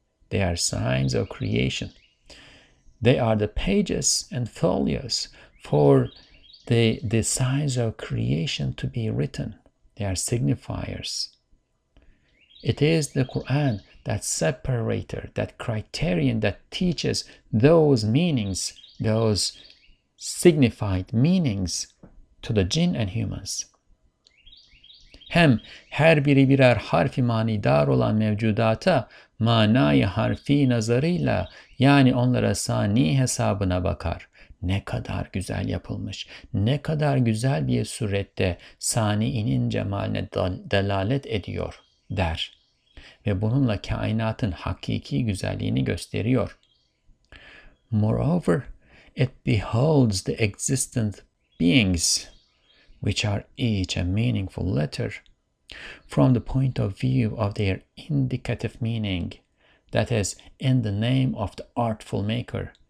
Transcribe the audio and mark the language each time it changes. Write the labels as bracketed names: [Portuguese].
[English] They are signs of creation. They are the pages and folios for the signs of creation to be written. They are signifiers. It is the Quran, that separator, that criterion that teaches those meanings, those signified meanings to the jinn and humans. [Turkish] Hem her biri birer harfi manidar olan mevcudata manayı harfi nazarıyla, yani onlara sani hesabına bakar. Ne kadar güzel yapılmış, ne kadar güzel bir surette sani'inin cemaline delalet ediyor der. Ve bununla kainatın hakiki güzelliğini gösteriyor. [English] Moreover, it beholds the existent beings, which are each a meaningful letter, from the point of view of their indicative meaning, that is, in the name of the artful maker.